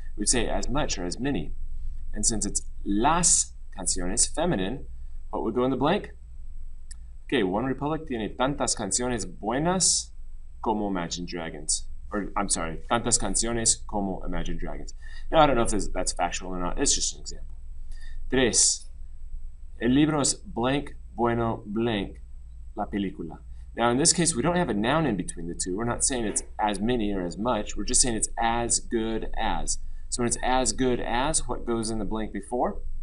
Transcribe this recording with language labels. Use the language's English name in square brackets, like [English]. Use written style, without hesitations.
[English] We'd say as much or as many. And since it's [Spanish] las canciones, [English] feminine, what would go in the blank? [Spanish] Okay, One Republic tiene tantas canciones buenas como Imagine Dragons, [English] or I'm sorry, [Spanish] tantas canciones como Imagine Dragons. [English] Now, I don't know if that's factual or not. It's just an example. [Spanish] Tres, el libro es blank, bueno, blank, la película. [English] Now, in this case, we don't have a noun in between the two. We're not saying it's as many or as much. We're just saying it's as good as. So when it's as good as, what goes in the blank before?